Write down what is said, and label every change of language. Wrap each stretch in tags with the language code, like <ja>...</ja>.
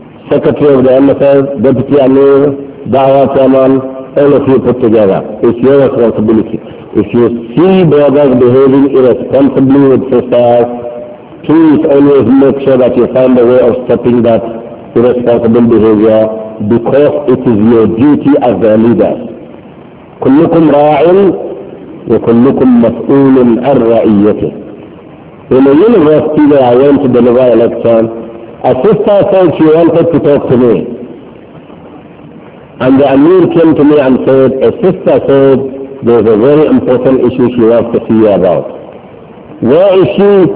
<en>Secretary of the MFS, Deputy Amir, Dawa Chairman, all of you put together. It's your responsibility. If you see brothers behaving irresponsibly with sisters, please always make sure that you find a way of stopping that irresponsible behavior, because it is your duty as their leaders.</en> <ar>كلكم راعٍ وكلكم مسؤولٍ عن رعيته.</ar> <en>In a university where I went to deliver a lecture, a sister said she wanted to talk to me. And the Amir came to me and said, a sister said there's a very important issue she wants to see you about. Where is she?</en>